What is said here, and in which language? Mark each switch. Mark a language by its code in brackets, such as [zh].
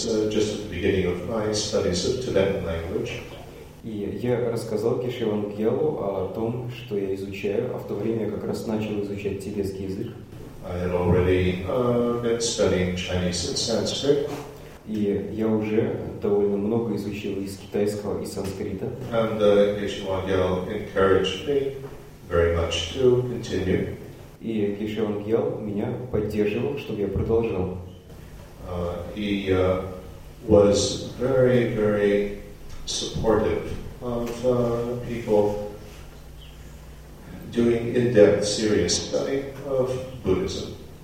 [en] Just at the beginning of my studies of Tibetan language. [ru] И я рассказал Геше Вангелу о том, что я изучаю, а в то время как раз начал изучать тибетский язык. [en] I had already been studying Chinese and Sanskrit. [ru] И я уже довольно много изучил из китайского и санскрита. [en] And Geshe Wangyal encouraged me very much to continue. [ru] И Геше Вангел меня поддерживал, чтобы я продолжал. [en] He was very, very supportive of people doing in-depth, serious study of Buddhism.